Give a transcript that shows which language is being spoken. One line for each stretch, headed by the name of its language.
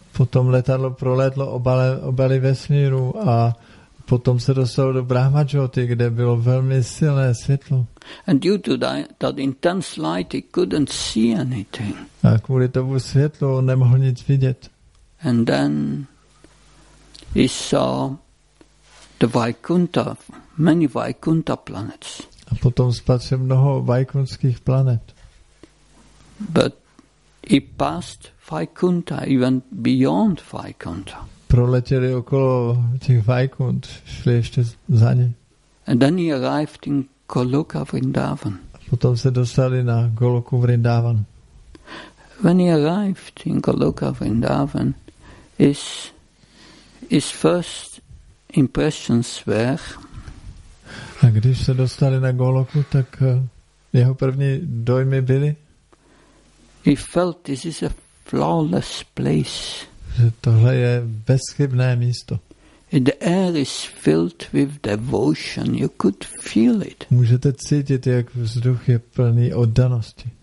Czech: Potom letadlo prolétlo obaly vesmíru a potom se dostalo do Brahma Jyoti, kde bylo velmi silné světlo.
English: And due to that intense light, he couldn't see anything.
Czech: A kvůli tomu světlu nemohl nic vidět.
English: And then he saw the Vaikuntha, many Vaikuntha planets.
Czech: A potom spatřil mnoho vaikunských planet.
English: But he passed Vaikuntha, even beyond Vaikuntha.
Czech: Proletěli okolo těch Vaikunt, šli ještě za ně.
English: And then he arrived in Goloka Vrindavan.
Czech: A potom se dostali na Goloku Vrindavan.
English: When he arrived in Goloka Vrindavan, his first impressions were.
Czech: A když se dostali na Goloku, tak jeho první dojmy byly.
English: He felt this is a flawless place.
Czech: Že tohle je bezchybné místo.
English: The air is filled with devotion. You could feel it.
Czech: Můžete cítit, jak vzduch je plný oddanosti.